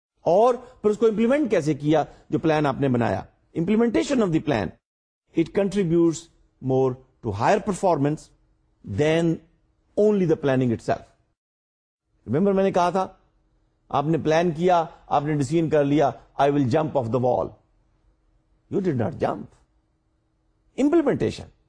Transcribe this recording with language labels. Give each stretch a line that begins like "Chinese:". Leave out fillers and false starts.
Urdu: اور پھر اس کو امپلیمنٹ کیسے کیا جو پلان آپ نے بنایا.
English: Implementation of the plan it contributes more to higher performance than only the planning itself.
Urdu: Remember میں نے کہا تھا آپ نے پلان کیا, آپ نے ڈیسیژن کر لیا
English: I will jump off the wall, you did not jump,
Urdu: implementation.